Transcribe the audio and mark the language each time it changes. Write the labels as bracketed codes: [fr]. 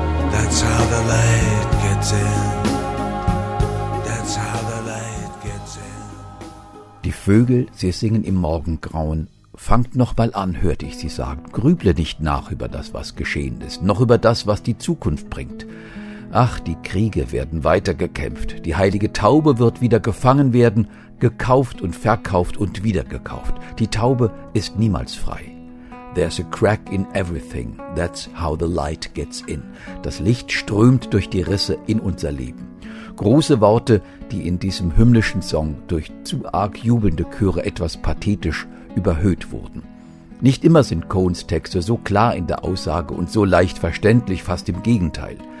[en] That's how the light gets in. That's how the light gets in. [de] Die Vögel, sie singen im Morgengrauen. Fangt nochmal an, hörte ich sie sagen. Grüble nicht nach über das, was geschehen ist, noch über das, was die Zukunft bringt. Ach, die Kriege werden weiter gekämpft. Die heilige Taube wird wieder gefangen werden, gekauft und verkauft und wieder gekauft. Die Taube ist niemals frei. [en] There's a crack in everything. That's how the light gets in. [de] Das Licht strömt durch die Risse in unser Leben. Große Worte, die in diesem hymnischen Song durch zu arg jubelnde Chöre etwas pathetisch überhöht wurden. Nicht immer sind Cohns Texte so klar in der Aussage und so leicht verständlich, fast im Gegenteil.